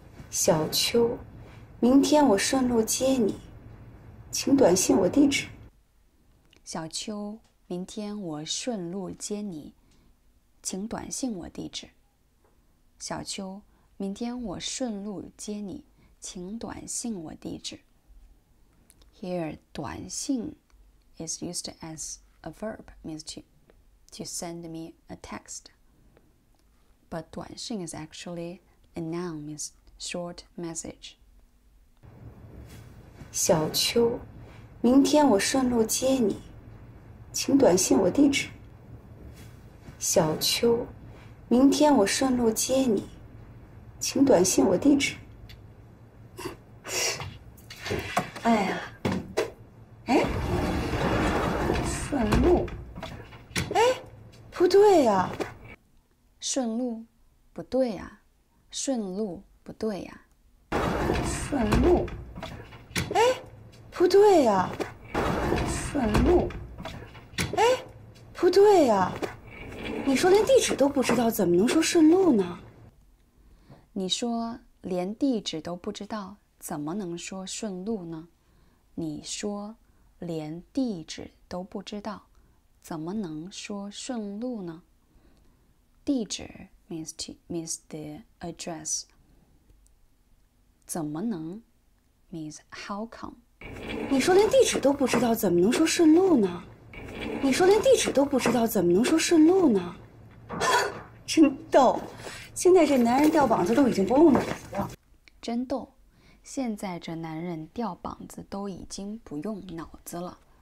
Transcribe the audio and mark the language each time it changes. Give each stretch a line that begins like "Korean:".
Chinese: 小秋，明天我顺路接你，请短信我地址。小秋，明天我顺路接你，请短信我地址。小秋，明天我顺路接你，请短信我地址。
English: Here, 短信 is used as a verb, means to send me a text. But 短信 is actually a noun, means short message.
Chinese: 小秋，明天我顺路接你，请短信我地址。小秋，明天我顺路接你。请短信我地址。哎呀，哎，顺路，哎，不对呀，顺路不对呀，顺路不对呀，顺路，哎，不对呀，顺路，哎，不对呀，你说连地址都不知道，怎么能说顺路呢？你说连地址都不知道，怎么能说顺路呢？你说连地址都不知道，怎么能说顺路呢？
English: 地址 means the address. 怎么能 means how come.
Chinese: 你说连地址都不知道，怎么能说顺路呢？你说连地址都不知道，怎么能说顺路呢？真逗。现在这男人掉膀子都已经不用脑子了。真逗，现在这男人掉膀子都已经不用脑子了。